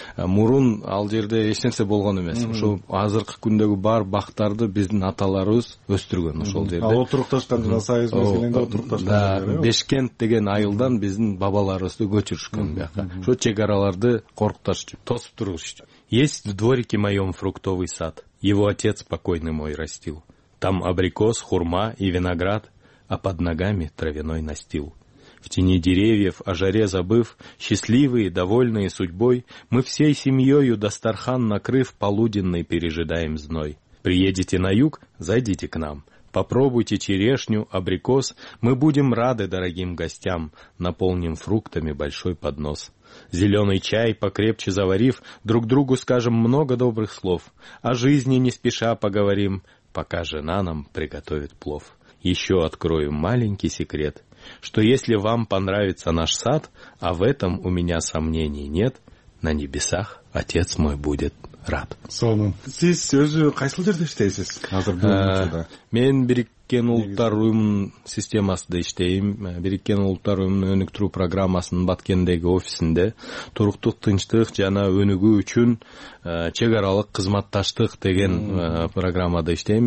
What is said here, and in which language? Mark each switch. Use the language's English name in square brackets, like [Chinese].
[Kyrgyz] Мурун ал жерде эч нерсе болгон эмес. Ошо азыркы күндөгү бар бактарды биздин аталарыбыз өстүргөн ошол жерде. Ал отурукташкан жана сайыз мезгилинде отурукташкан. Да, Бешкент деген айылдан биздин бабаларыбызды көчүрүшкөн бияка. Ошо чек араларды коркуташ үчүн, тосуп туруш үчүн. [Russian] Есть в дворике моем фруктовый сад. Его отец покойный мой растил. Там абрикос, хурма и виноград, а под ногами травяной настил. В тени деревьев, о жаре забыв, счастливые, довольные судьбой, мы всей семьёю дастархан накрыв, полуденный пережидаем зной. Приедете на юг, зайдите к нам. Попробуйте черешню, абрикос, мы будем рады дорогим гостям, наполним фруктами большой поднос. Зеленый чай покрепче заварив, друг другу скажем много добрых слов, о жизни не спеша поговорим, пока жена нам приготовит плов. Еще открою маленький секрет, что если вам понравится наш сад, а в этом у меня сомнений нет, на небесах отец мой будет рад. [Kyrgyz] Сонун, сиз өзү кайсыл жерде иштейсиз? Азыр бул учурда. Мен Бириккен Улуттар Уюмунун системасында иштейм. Бириккен Улуттар Уюмунун өнүктүрүү программасынын Баткендеги офисинде туруктук тынчтык жана өнүгүү үчүн чек аралык кызматташтык деген программада иштейм.